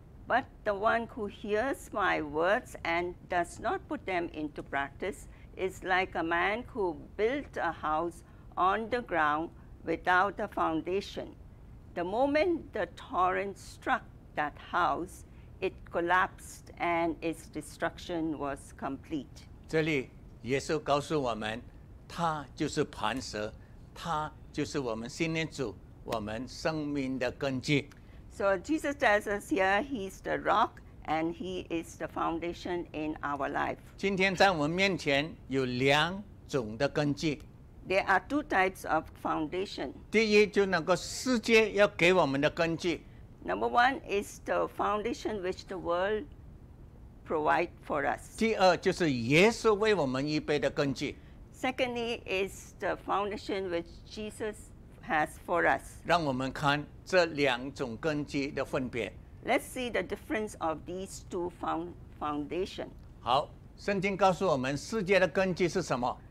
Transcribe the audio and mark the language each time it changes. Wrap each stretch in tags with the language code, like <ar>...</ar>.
<en>But the one who hears my words and does not put them into practice is like a man who built a house on the ground without a foundation. The moment the torrent struck that house, it collapsed and its destruction was complete.</en> <zh>这里耶稣告诉我们，他就是磐石，他就是我们信念主，我们生命的根基。</zh> <en>So Jesus tells us here, he's the rock and he is the foundation in our life.</en> <zh>今天在我们面前有两种的根基。</zh> <en>There are two types of foundation.</en> <zh>第一就是那个世界要给我们的根基。</zh> <en>Number one is the foundation which the world provides for us.</en> <zh>第二就是耶稣为我们预备的根基。</zh> <en>Secondly is the foundation which Jesus has for us.</en> <zh>让我们看这两种根基的分别。</zh> <en>Let's see the difference of these two foundations.</en> <zh>好，圣经告诉我们世界的根基是什么？</zh>